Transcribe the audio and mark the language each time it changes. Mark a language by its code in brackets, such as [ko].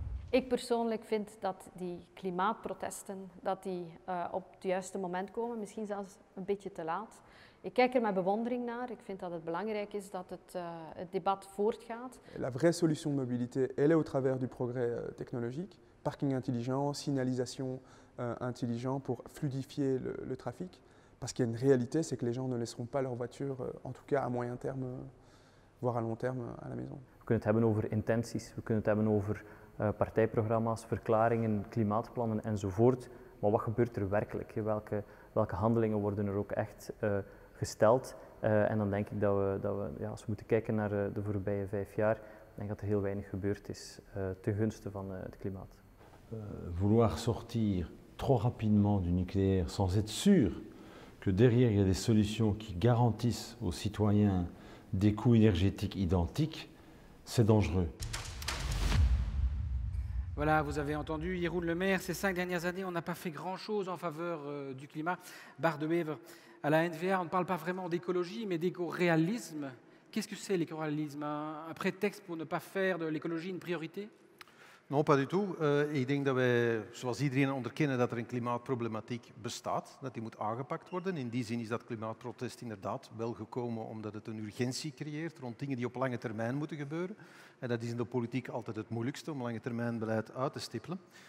[nl] Ik persoonlijk vind dat die klimaatprotesten dat die, op het juiste moment komen, misschien zelfs een beetje te laat. Ik kijk er met bewondering naar. Ik vind dat het belangrijk is dat het, het debat voortgaat. [fr] La vraie solution de mobilité, elle est au travers du progrès technologique. Parking intelligent, signalisation intelligent pour fluidifier le trafic. Parce qu'il y a une réalité, c'est que les gens ne laisseront pas leur voiture, en tout cas à moyen terme, voire à long terme, à la maison. [nl] We kunnen het hebben over intenties, we kunnen het hebben over partijprogramma's, verklaringen, klimaatplannen enzovoort. Maar wat gebeurt er werkelijk? Welke handelingen worden er ook echt gesteld? En dan denk ik dat we, als we moeten kijken naar de voorbije 5 jaar, denk dat er heel weinig gebeurd is ten gunste van het klimaat. [fr] Vouloir sortir trop rapidement du nucléaire sans être sûr que derrière il y a des solutions qui garantissent aux citoyens des coûts énergétiques identiques, c'est dangereux. Voilà, vous avez entendu, Jeroen Lemaire, ces 5 dernières années, on n'a pas fait grand-chose en faveur du climat. Bart De Wever, à la NVA, on ne parle pas vraiment d'écologie, mais d'éco-réalisme. Qu'est-ce que c'est l'éco-réalisme ? Un prétexte pour ne pas faire de l'écologie une priorité ? Non, pas du tout. [nl] Ik denk dat wij, zoals iedereen, onderkennen dat er een klimaatproblematiek bestaat, dat die moet aangepakt worden. In die zin is dat klimaatprotest inderdaad wel gekomen omdat het een urgentie creëert rond dingen die op lange termijn moeten gebeuren. En dat is in de politiek altijd het moeilijkste om lange termijn beleid uit te stippelen.